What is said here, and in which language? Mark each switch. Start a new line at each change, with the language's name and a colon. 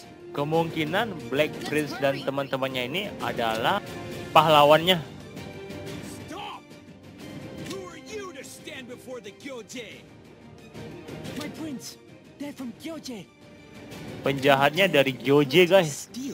Indonesian: Kemungkinan Black Prince dan teman-temannya ini adalah pahlawannya.
English: Stop! Who are you to stand before the Gyoje? My prince, they're from Gyoje.
Indonesian: Penjahatnya dari Gyoje, guys.